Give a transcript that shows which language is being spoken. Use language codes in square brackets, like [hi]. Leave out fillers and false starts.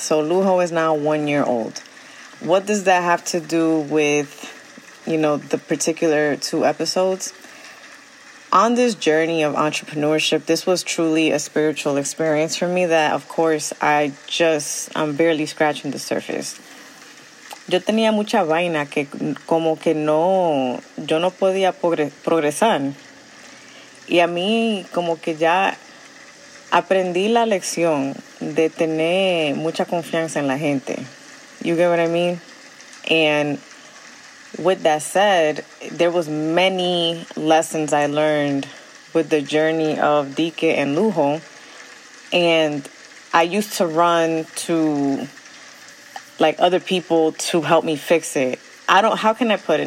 [en] So Lujo is now 1 year old. What does that have to do with, you know, the particular two episodes? On this journey of entrepreneurship, this was truly a spiritual experience for me that, of course, I'm barely scratching the surface. [es] Yo tenía mucha vaina que como que no, yo no podía progresar. Y a mí como que ya aprendí la lección de tener mucha confianza en la gente. [en] You get what I mean? And with that said, there was many lessons I learned with the journey of Dike and Lujo. And I used to run to, like, other people to help me fix it. How can I put it?